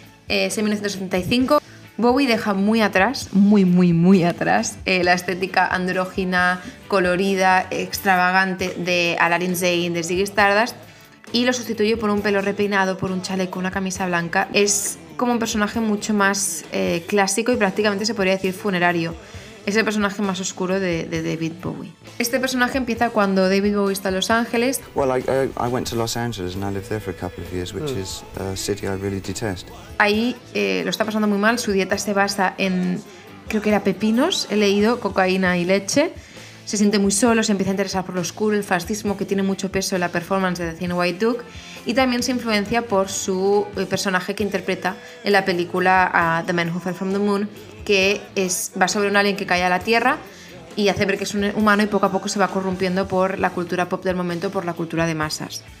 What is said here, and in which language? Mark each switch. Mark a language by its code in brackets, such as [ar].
[es] Es en 1975. Bowie deja muy atrás, muy atrás, la estética andrógina, colorida, extravagante de Aladdin Zane, de Ziggy Stardust, y lo sustituye por un pelo repeinado, por un chaleco, una camisa blanca. Es como un personaje mucho más clásico y prácticamente se podría decir funerario. Es el personaje más oscuro de David Bowie. Este personaje empieza cuando David Bowie está en Los Ángeles. [en] Well, I went to Los Angeles and I lived there for a couple of years, which is a city I really detest. [es] Ahí lo está pasando muy mal. Su dieta se basa en, creo que era pepinos, he leído, cocaína y leche. Se siente muy solo, se empieza a interesar por lo oscuro, el fascismo, que tiene mucho peso en la performance de The Thin White Duke, y también se influencia por su personaje que interpreta en la película The Man Who Fell from the Moon, que es, va sobre un alien que cae a la Tierra y hace ver que es un humano y poco a poco se va corrompiendo por la cultura pop del momento, por la cultura de masas.